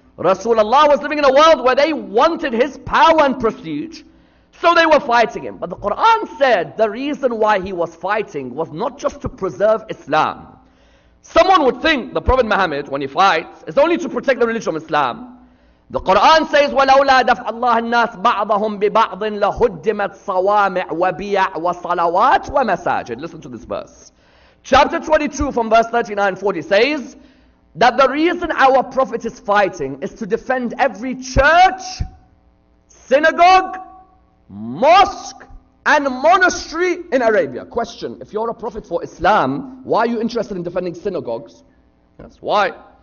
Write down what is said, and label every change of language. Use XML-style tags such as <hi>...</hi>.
<en>Rasulullah was living in a world where they wanted his power and prestige. So they were fighting him. But the Quran said the reason why he was fighting was not just to preserve Islam. Someone would think the Prophet Muhammad, when he fights, is only to protect the religion of Islam. The Quran says,</en> <ar>وَلَوْلَا دَفْعَ اللَّهَ النَّاسِ بَعْضَهُمْ بِبَعْضٍ لَهُدِّمَتْ صَوَامِعْ وَبِيَعْ وَصَلَوَاتٍ وَمَسَاجِدٍ.</ar> <en>Listen to this verse. Chapter 22 from verse 39 and 40 says that the reason our Prophet is fighting is to defend every church, synagogue, mosque, and monastery in Arabia. Question, if you're a prophet for Islam, why are you interested in defending synagogues? Yes, why?</en>